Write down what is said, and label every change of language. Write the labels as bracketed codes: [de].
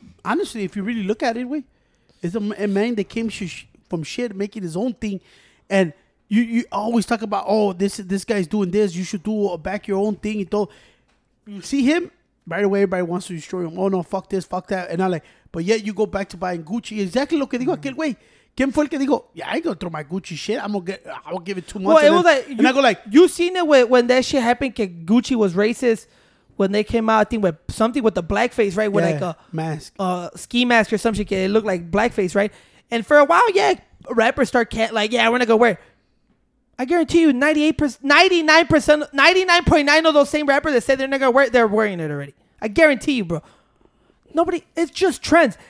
[en] Honestly, if you really look at it, we, it's a man that came from shit making his own thing. And you always talk about, oh, this guy's doing this. You should do back your own thing. And you see him? Right away, everybody wants to destroy him. Oh, no, fuck this, fuck that. And I'm like, but yet you go back to buying Gucci. [es] Exactly lo que dijo aquel güey. ¿Quién fue el que dijo, [en] yeah, I ain't gonna throw my Gucci shit. I'll give it 2 months. Well, and I go like, you seen it when that shit happened, que Gucci was racist when they came out, I think, with something with the blackface, right? With like a mask. Ski mask or some shit. It looked like blackface, right? And for a while, rappers start we're gonna go wear. I guarantee you 99.9% of those same rappers that say they're not gonna wear it, they're wearing it already. I guarantee you, bro. It's just trends.